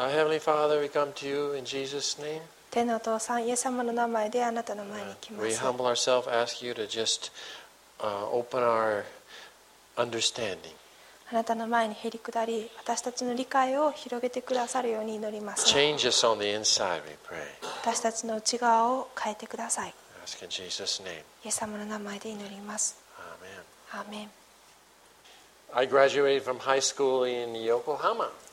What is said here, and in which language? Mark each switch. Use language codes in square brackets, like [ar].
[en] Our Heavenly Father, we come to you in Jesus' name. [ja] 天のお父さん、イエス様の名前であなたの前に来ます。 [en] We humble ourselves, ask you to just open our understanding. [ja] あなたの前にへり下り、私たちの理解を広げてくださるように祈ります。 [en] Change us on the inside, we pray. [ja] 私たちの内側を変えてください。 [en] Ask in Jesus' name. [ja] イエス様の名前で祈ります。 [en] Amen. Amen. I graduated from high school in Yokohama.